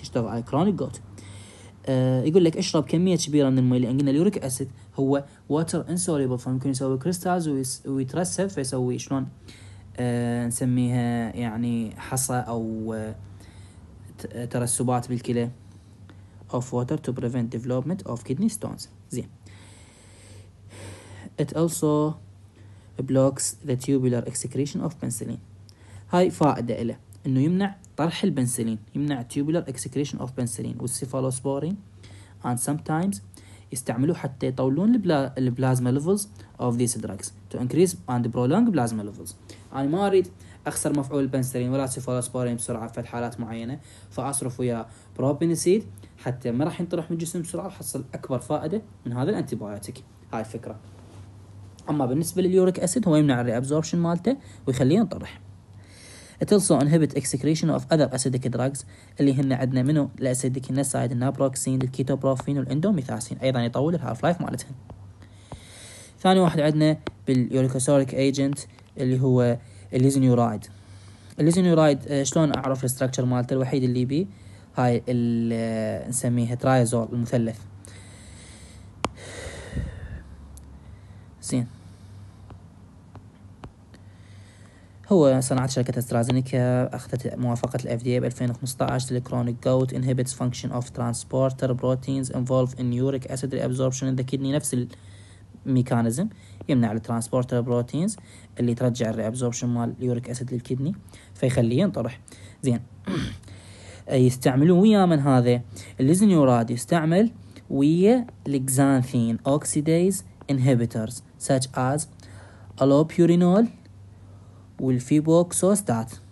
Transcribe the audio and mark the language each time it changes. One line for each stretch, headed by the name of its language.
Arabic: يشتغل على كرونيك جوت. يقول لك اشرب كمية كبيرة من الماء لأن قلنا اليوريك أسيد هو water insoluble فممكن يسوي كريستالز ويترسب فيسوي شلون نسميها يعني حصى أو ترسبات بالكلى
English: of water to prevent development of kidney stones.
Arabic: زين.
English: It also blocks the tubular excretion of penicillin.
Arabic: هاي فائدة إله إنه يمنع طرح البنسلين يمنع tubular excretion of penicillin والسيفالوسبورين and sometimes يستعملوا حتى يطولون البلازما levels of these drugs
English: to increase and prolong plasma levels.
Arabic: أنا ما أريد أخسر مفعول البنسلين ولا السيفالوسبورين بسرعة في حالات معينة فأصرف ويا بروبينسيد حتى ما راح ينطرح من الجسم بسرعة وحصل أكبر فائدة من هذا الأنتيبايوتيك. هاي الفكرة. أما بالنسبة لليوريك أسيد هو يمنع الريأبزوربشن مالته ويخليه ينطرح.
English: It also inhibits excretion of other acidic drugs
Arabic: اللي هن عندنا منه الأسيديك النسايد النابروكسين الكيتوبروفين والإندوميثاسين أيضا يطول الهالف لايف مالتهن. ثاني واحد عندنا باليوريكوسوريك ايجنت اللي هو الليزنيورايد. الليزنيورايد شلون أعرف الستركتشر مالته الوحيد اللي بيه هاي نسميها ترايزول المثلث. زين، هو صنعت شركة استرازينيكا أخذت موافقة
English: الـ FDA بـ 2015 للـ Chronic Gout Inhibits Function of Transporter Proteins Involved in Uric Acid Reabsorption in the Kidney.
Arabic: نفس الميكانيزم يمنع الـ Transporter Proteins اللي ترجع الـ Reabsorption مال الـ Uric Acid للكيدني فيخليه ينطرح. زين، يستعملون ويا من هذا الليزنيوراد يستعمل ويا الإكزانثين أوكسيديز
English: Inhibitors such as Allopurinol
Arabic: والفيبوكسوستات.